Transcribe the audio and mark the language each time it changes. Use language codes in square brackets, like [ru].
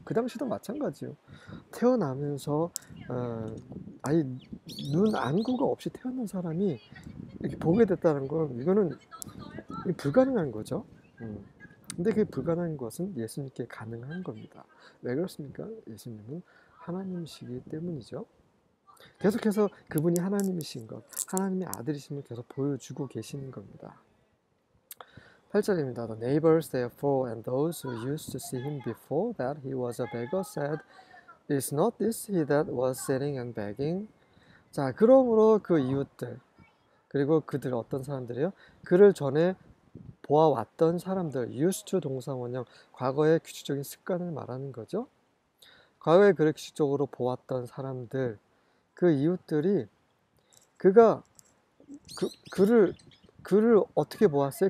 [ko] 그 당시도 마찬가지요. 태어나면서 아니 눈 안구가 없이 태어난 사람이 이렇게 보게 됐다는 건 이거는 불가능한 거죠. 근데 그 불가능한 것은 예수님께 가능한 겁니다. 왜 그렇습니까? 예수님은 하나님이시기 때문이죠. 계속해서 그분이 하나님이신 것, 하나님의 아들이심을 계속 보여주고 계시는 겁니다. 8절입니다. [en] The neighbors, therefore, and those who used to see him before that he was a beggar said, Is not this he that was sitting and begging? [ko] 자, 그러므로 그 이웃들, 그리고 그들 어떤 사람들이요? 그를 전에 보아왔던 사람들, used to 동사원형, 과거의 규칙적인 습관을 말하는 거죠. 과거에 그를 규칙적으로 보았던 사람들, 그 이웃들이 그가 그를 어떻게 보았어요?